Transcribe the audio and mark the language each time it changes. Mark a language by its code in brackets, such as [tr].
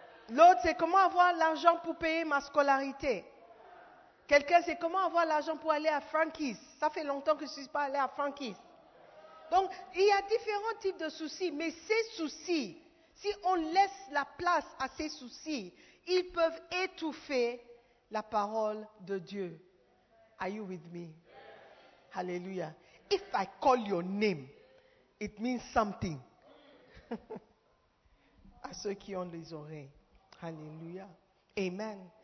[fr] L'autre, c'est comment avoir l'argent pour payer ma scolarité. Quelqu'un, c'est comment avoir l'argent pour aller à Frankie's. Ça fait longtemps que je ne suis pas allé à Frankie's. Donc, il y a différents types de soucis, mais ces soucis, si on laisse la place à ces soucis, ils peuvent étouffer la parole de Dieu. [en] Are you with me? Hallelujah. If I call your name, it means something. [fr] À ceux qui ont les oreilles. Alléluia. Amen.